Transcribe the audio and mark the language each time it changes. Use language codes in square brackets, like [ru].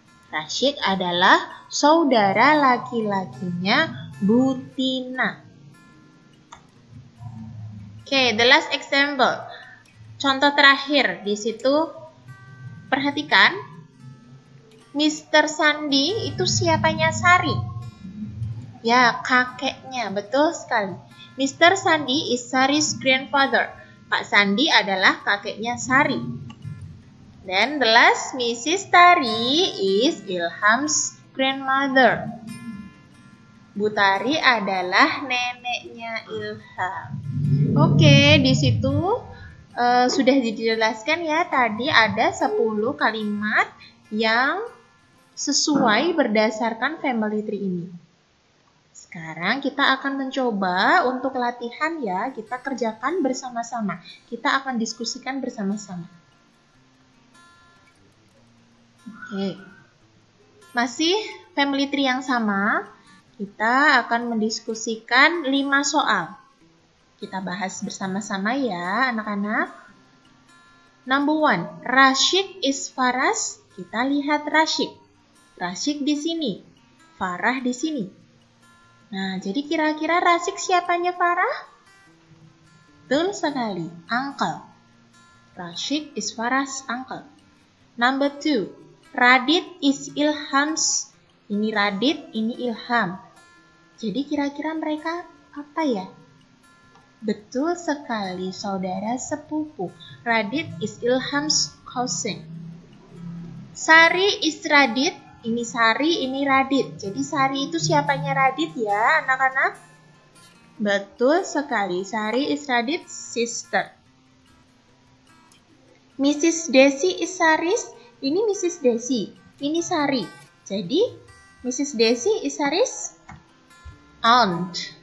[id] Rashik adalah saudara laki-lakinya Bu Tina. [en] Okay, the last example. [id] Contoh terakhir di situ, perhatikan, Mr. Sandi itu siapanya Sari? Ya, kakeknya, betul sekali. Mr. [en] Sandi is Sari's grandfather. [id] Pak Sandi adalah kakeknya Sari. [en] Then the last, Mrs. Tari is Ilham's grandmother. [id] Bu Tari adalah neneknya Ilham. Okay, di situ sudah dijelaskan ya, tadi ada 10 kalimat yang sesuai berdasarkan family tree ini. Sekarang kita akan mencoba untuk latihan ya, kita kerjakan bersama-sama. Kita akan diskusikan bersama-sama. Oke. Masih family tree yang sama, kita akan mendiskusikan 5 soal. Kita bahas bersama-sama ya, anak-anak. [en] Number 1, Rashik is Farah's. [id] Kita lihat Rashik. Rashik di sini, Farah di sini. Nah, jadi kira-kira Rashik siapanya Farah? Betul sekali, uncle. [en] Rashik is Farah's uncle. Number 2, Radit is Ilham's. [id] Ini Radit, ini Ilham. Jadi kira-kira mereka apa ya? Betul sekali, saudara sepupu. [en] Radit is Ilham's cousin. Sari is Radit. [id] Ini Sari, ini Radit. Jadi Sari itu siapanya Radit ya, anak-anak? Betul sekali, [en] Sari is Radit's sister. Mrs. Desi is Sari's. Ini Mrs. Desi, ini Sari. [id] Jadi [en] Mrs. Desi is Sari's aunt.